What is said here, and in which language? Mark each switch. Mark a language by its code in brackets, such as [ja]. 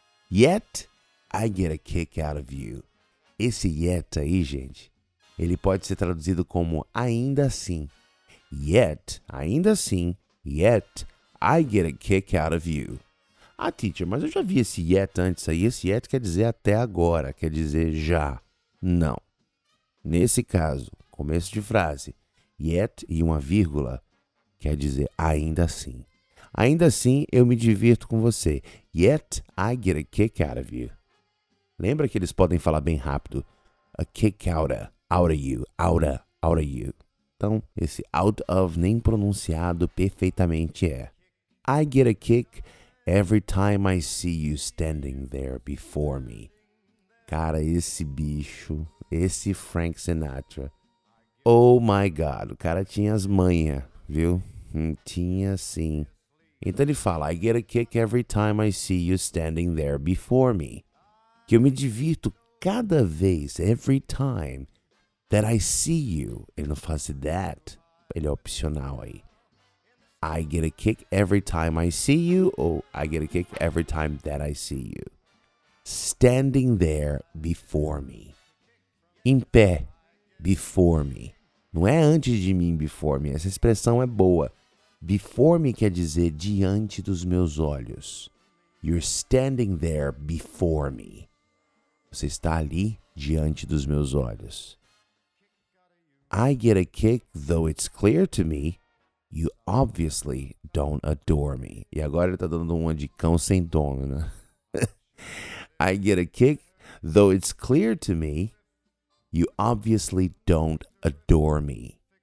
[en] Yet, I get a kick out of you. [pt] Esse yet aí, gente, ele pode ser traduzido como ainda assim. [en] Yet, [pt] ainda assim, [en] yet, I get a kick out of you. [pt] Ah, teacher, mas eu já vi esse yet antes aí. Esse yet quer dizer até agora, quer dizer já. Não. Nesse caso, começo de frase, yet e uma vírgula quer dizer ainda assim. Ainda assim, eu me divirto com você. [en] Yet, I get a kick out of you. [pt] Lembra que eles podem falar bem rápido? [en] A kick out of you, out of you. [pt] Então, esse out of nem pronunciado perfeitamente é. [en] I get a kick every time I see you standing there before me. [pt] Cara, esse bicho, esse Frank Sinatra. [en] Oh my God, [pt] o cara tinha as manhas, viu? Tinha sim. Então ele fala, [en] I get a kick every time I see you standing there before me. [pt] Que eu me divirto cada vez, [en] every time that I see you. [pt] Ele não faz that, ele é opcional aí. [en] I get a kick every time I see you, ou I get a kick every time that I see you. Standing there before me. [pt] Em pé, [en] before me. [pt] Não é antes de mim, before me, essa expressão é boa. Before me quer dizer diante dos meus olhos. [en] You're standing there before me. [pt] Você está ali diante dos meus olhos. [en] I get a kick, though it's clear to me, you obviously don't adore me. [pt] E agora ele está dando uma de cão sem dono, né? [en] I get a kick, though it's clear to me, you obviously don't adore me.